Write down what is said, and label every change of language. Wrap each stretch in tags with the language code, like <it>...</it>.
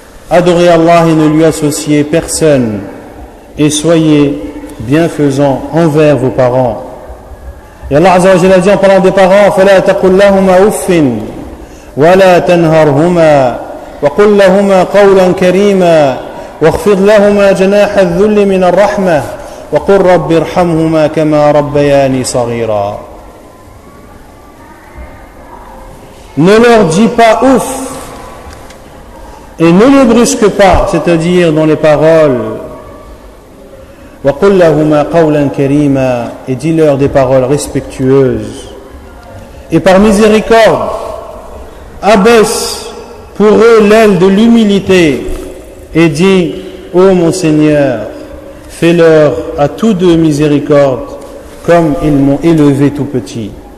<fr>Adorez Allah et ne lui associez personne. Et soyez bienfaisants envers vos parents. Et Allah Azza wa Jalla dit en parlant des parents,</fr> <ar>فَلَا تَقُلْ لَهُمَا أُفٍّ وَلَا تَنْهَرْهُمَا وَقُلْ لَهُمَا قَوْلًا كَرِيمًا واخفض لهما جناح الذل من الرحمة وقل رب ارحمهما كما ربياني صغيرا.</ar> <fr>Ne leur dis pas ouf et ne les brusque pas, c'est-à-dire dans les paroles.</fr> <ar>وقل لهما قولا كريما,</ar> <fr>et dis-leur des paroles respectueuses. Et par miséricorde, abaisse pour eux l'aile de l'humilité et dis: ô mon Seigneur, fais-leur à tous deux miséricorde comme ils m'ont élevé tout petit.</fr>